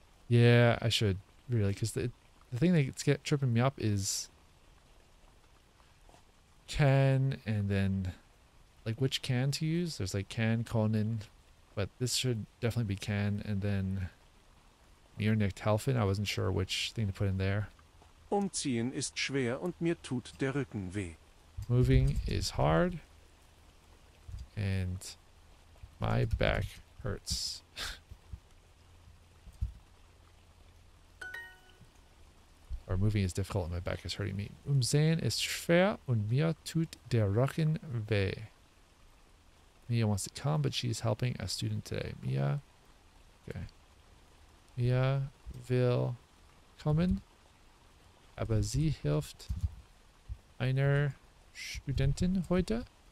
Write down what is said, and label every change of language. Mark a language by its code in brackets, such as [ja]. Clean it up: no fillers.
[en] Yeah, I should, really, because the thing that's tripping me up is can, and then, like, which can to use? There's, like, can, Conan, but this should definitely be can, and then [de] mir nicht helfen. [en] I wasn't sure which thing to put in there. [de] Umziehen ist schwer und mir tut der Rücken weh. [en] Moving is hard, and my back hurts. Or moving is difficult and my back is hurting me. Umziehen ist schwer und mir tut der Rücken weh. Mia wants to come, but she's helping a student today. Mia, okay. [de] Mia will kommen, aber sie hilft einer Studentin heute.